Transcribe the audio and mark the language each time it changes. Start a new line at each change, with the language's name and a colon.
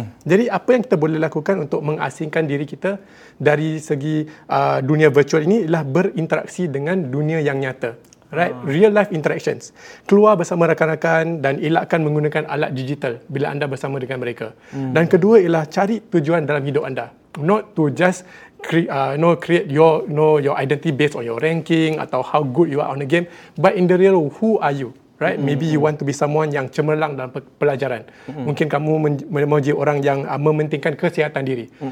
Malay: Jadi apa yang kita boleh lakukan untuk mengasingkan diri kita dari segi dunia virtual ini ialah berinteraksi dengan dunia yang nyata.
English: Right, real life interactions.
Malay: Keluar bersama rakan-rakan dan elakkan menggunakan alat digital bila anda bersama dengan mereka. Dan kedua ialah cari tujuan dalam hidup anda.
English: Not to just create your identity based on your ranking atau how good you are on the game, but in the real, who are you? Right, maybe you want to be someone
Malay: yang cemerlang dalam pelajaran. Mungkin kamu menjadi orang yang mementingkan kesihatan diri.